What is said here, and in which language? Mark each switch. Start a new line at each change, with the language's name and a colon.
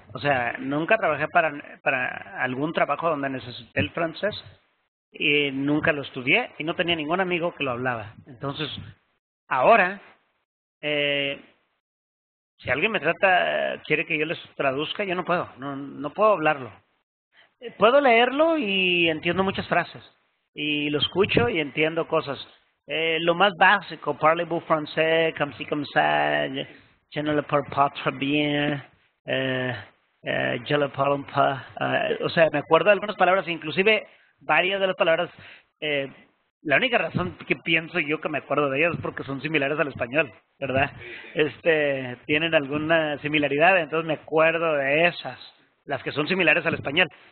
Spanish: O sea, nunca trabajé para algún trabajo donde necesité el francés y nunca lo estudié y no tenía ningún amigo que lo hablaba. Entonces, ahora, si alguien me trata, quiere que yo les traduzca, yo no puedo, no puedo hablarlo. Puedo leerlo y entiendo muchas frases. Y lo escucho y entiendo cosas. Lo más básico,
French: parlez-vous français, comme-ci, comme-ça, je ne le parle pas très bien, je le parle un peu.
Spanish: O sea, me acuerdo de algunas palabras, inclusive varias de las palabras. La única razón que pienso yo que me acuerdo de ellas es porque son similares al español, ¿verdad? Tienen alguna similaridad, entonces me acuerdo de esas, las que son similares al español.